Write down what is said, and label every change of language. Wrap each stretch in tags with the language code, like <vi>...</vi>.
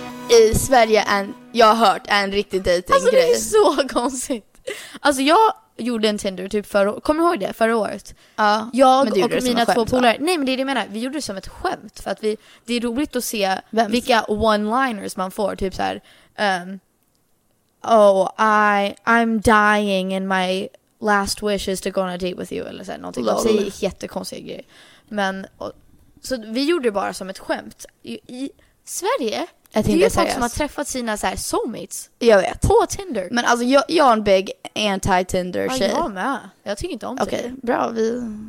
<sv>i Sverige, en, jag har hört, en riktig dejtinggrej. Alltså det är så konstigt. Alltså jag gjorde en Tinder typ förra året. Kommer du ihåg det? Förra året? Ja. Jag och mina två polare. Nej, men det är det jag menar. Vi gjorde det som ett skämt. För att vi, det är roligt att se vem, vilka one-liners man får. Typ så här,</sv> <en>oh, I'm dying and my last wish is to go on a date with you.</en> <sv>Eller så här, någonting. Lol. Det är jättekonstiga grejer. Men, så vi gjorde det bara som ett skämt. I Sverige, det är ju folk som har träffat sina så här soulmates. Jag vet. På Tinder. Men alltså, jag är en big anti-Tinder tjej. Jag med. Jag tycker inte om det. Okej, bra. Vi...</sv>